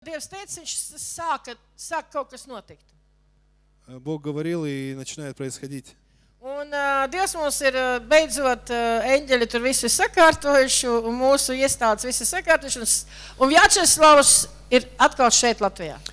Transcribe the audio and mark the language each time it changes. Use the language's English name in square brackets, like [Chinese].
[Latvian] Dievs teica, viņš sāka kaut kas notikt. [Russian] Бог говорил и начинает происходить. [Latvian] Un Dievs mums ir beidzot eņģeļi tur visi sakārtojuši, un mūsu iestādes visi sakārtojuši, un Vjačeslavs ir atkal šeit Latvijā.